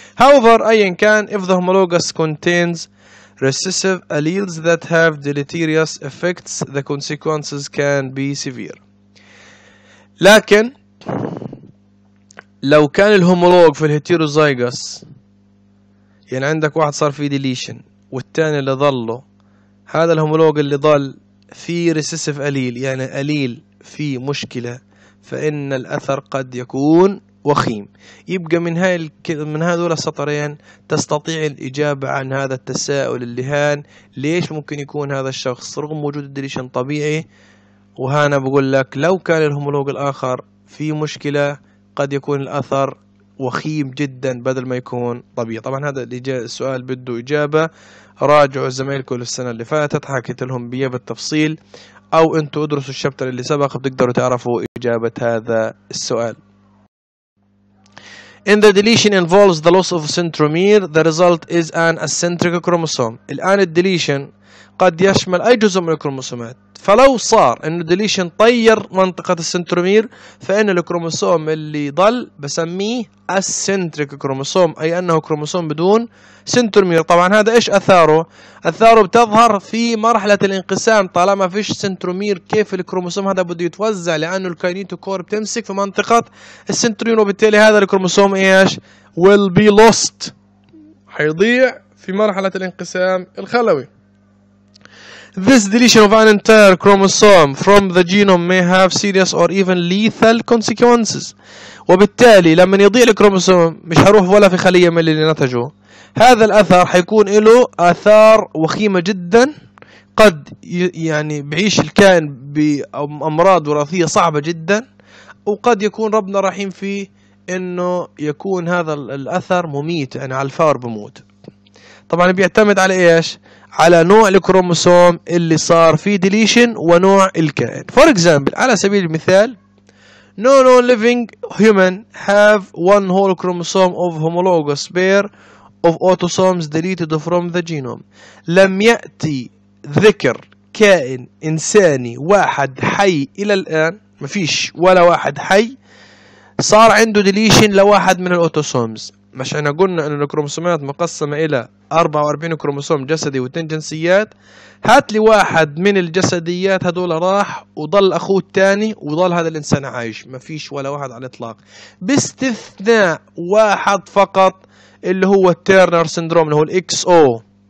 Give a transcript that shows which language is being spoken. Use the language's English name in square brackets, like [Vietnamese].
[English] however [Arabic] ايا كان، [English] if the homologous contains recessive alleles that have deleterious effects the consequences can be severe. [Arabic] لكن لو كان الهومولوج في الهيتيروزايغس، يعني عندك واحد صار فيه ديليشن والتاني اللي ظله، هذا الهومولوج اللي ظل فيه ريسيسيف أليل، يعني أليل فيه مشكلة، فإن الأثر قد يكون وخيم. يبقى من هذول السطرين تستطيع الإجابة عن هذا التساؤل اللهان، ليش ممكن يكون هذا الشخص رغم وجود الديليشن طبيعي؟ وهنا بقول لك لو كان الهومولوج الآخر فيه مشكلة قد يكون الأثر وخيم جدا بدل ما يكون طبيعي. طبعا هذا السؤال بده إجابة، راجعوا زمايلكم للسنة اللي فاتت حكيت لهم بيه بالتفصيل، أو أنتوا ادرسوا الشابتر اللي سبق بتقدروا تعرفوا إجابة هذا السؤال. [English] In the deletion involves the loss of centromere, the result is an eccentric chromosome. [Arabic] الآن الديليشن قد يشمل أي جزء من الكروموسومات، فلو صار إنه ديليشن طير منطقة السنترومير، فإن الكروموسوم اللي ضل بسميه أسنتريك كروموسوم، أي أنه كروموسوم بدون سنترومير. طبعا هذا إيش أثاره؟ أثاره بتظهر في مرحلة الانقسام، طالما فيش سنترومير كيف الكروموسوم هذا بده يتوزع، لأنه الكاينيتوكور بتمسك في منطقة السنترومير، وبالتالي هذا الكروموسوم إيش؟ [English] will be lost، [Arabic] حيضيع في مرحلة الانقسام الخلوي. [English] This deletion of an entire chromosome from the genome may have serious or even lethal consequences. [Arabic] وبالتالي لما يضيع الكروموسوم مش هروح ولا في خلية من اللي نتجه، هذا الأثر حيكون له آثار وخيمة جدا، قد يعني بعيش الكائن بأمراض وراثية صعبة جدا، وقد يكون ربنا رحيم فيه إنه يكون هذا الأثر مميت، يعني على الفار بموت. طبعا بيعتمد على إيش؟ على نوع الكروموسوم اللي صار فيه ديليشن ونوع الكائن. [English] For example، [Arabic] على سبيل المثال [English] No, no living human have one whole chromosome of homologous pair of autosomes deleted from the genome. [Arabic] لم يأتي ذكر كائن إنساني واحد حي إلى الآن، مفيش ولا واحد حي صار عنده deletion لواحد من الأوتوسومز. مش احنا قلنا ان الكروموسومات مقسمة الى 44 كروموسوم جسدي واثنين جنسيات؟ هات لي واحد من الجسديات هدول راح وضل اخوه الثاني وضل هذا الانسان عايش، ما فيش ولا واحد على الاطلاق، باستثناء واحد فقط اللي هو التيرنر سندروم اللي هو الاكس او.